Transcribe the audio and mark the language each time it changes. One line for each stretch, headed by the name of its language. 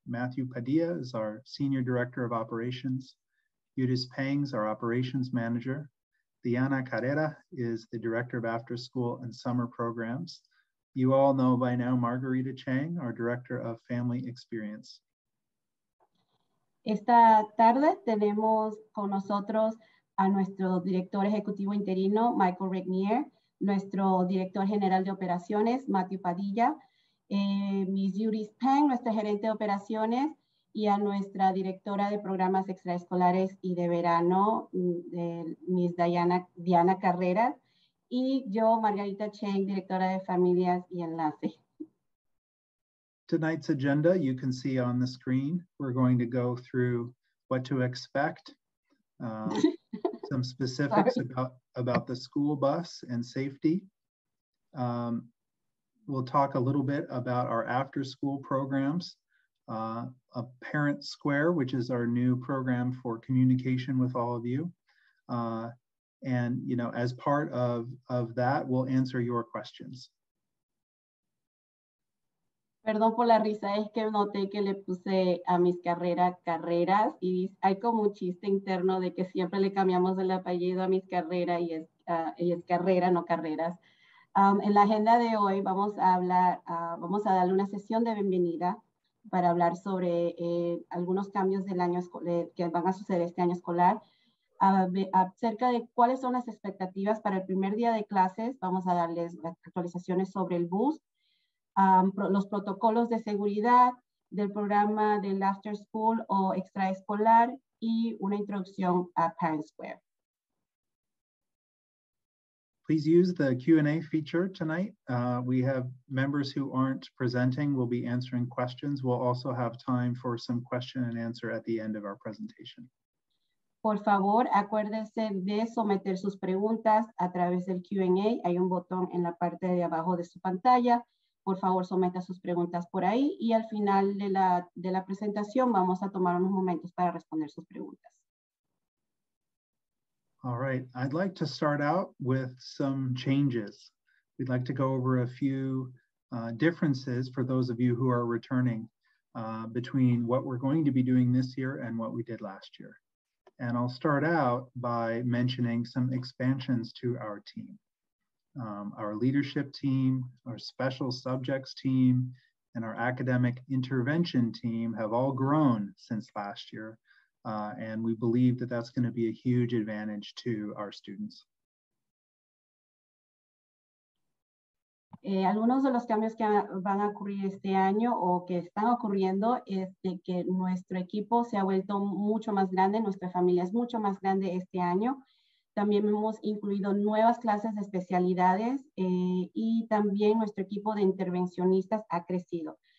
English: Matthew Padilla is our senior director of operations. Yudis Pangs, our operations manager. Diana Carrera is the director of after school and summer programs. You all know by now Margarita Chang, our director of family experience.
Spanish: Esta tarde tenemos con nosotros a nuestro director ejecutivo interino, Michael Regnier, nuestro director general de operaciones, Matthew Padilla, Ms. Yudis Pang, nuestra gerente de operaciones, y a nuestra directora de programas extraescolares y de verano, Ms. Diana Carrera, y yo, Margarita Chang, directora de familias y enlace.
English: Tonight's agenda, you can see on the screen, we're going to go through what to expect, some specifics about the school bus and safety. We'll talk a little bit about our after school programs, a parent square, which is our new program for communication with all of you. And you know, as part of that, we'll answer your questions.
Spanish: Perdón por la risa, es que noté que le puse a mis carreras y hay como un chiste interno de que siempre le cambiamos el apellido a mis carreras y es carrera, no carreras. En la agenda de hoy vamos a darle una sesión de bienvenida para hablar sobre algunos cambios del año que van a suceder este año escolar. Acerca de cuáles son las expectativas para el primer día de clases, vamos a darles actualizaciones sobre el bus. Los protocolos de seguridad del programa del after school o extraescolar y una introducción a Parent Square.
English: Please use the Q&A feature tonight. We have members who aren't presenting, will be answering questions. We'll also have time for some question and answer at the end of our presentation.
Spanish: Por favor, acuérdense de someter sus preguntas a través del Q&A. Hay un botón en la parte de abajo de su pantalla. Por favor, someta sus preguntas por ahí y al final de la presentación vamos a tomar unos momentos para responder sus preguntas.
English: All right, I'd like to start out with some changes. We'd like to go over a few differences for those of you who are returning between what we're going to be doing this year and what we did last year. And I'll start out by mentioning some expansions to our team. Our leadership team, our special subjects team, and our academic intervention team have all grown since last year. And we believe that that's going to be a huge advantage to our students.
Spanish: Algunos de los cambios que van a ocurrir este año o que están ocurriendo es de que nuestro equipo se ha vuelto mucho más grande, nuestra familia es mucho más grande este año. También hemos incluido nuevas clases de especialidades y también nuestro equipo de intervencionistas ha crecido.